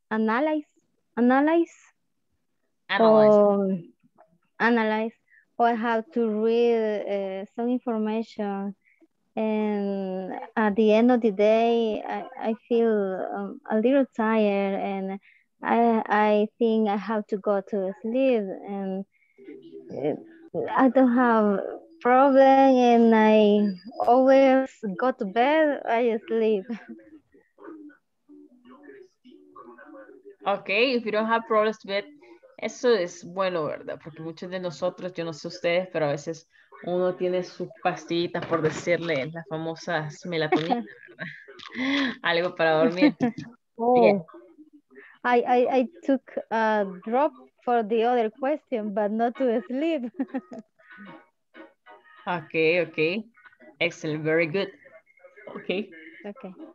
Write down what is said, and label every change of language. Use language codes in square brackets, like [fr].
[en] I have to read some information, and at the end of the day, I feel a little tired, and I think I have to go to sleep, and I don't have problem, and I always go to bed, I sleep. Okay, if you don't have problems with bed. [es] Eso es bueno, ¿verdad? Porque muchos de nosotros, yo no sé ustedes, pero a veces uno tiene sus pastillitas, por decirle, las famosas melatonina, ¿verdad? Algo para dormir. [en] Oh, I took a drop for the other question, but not to sleep. Okay, okay. Excellent, very good. Okay. Okay.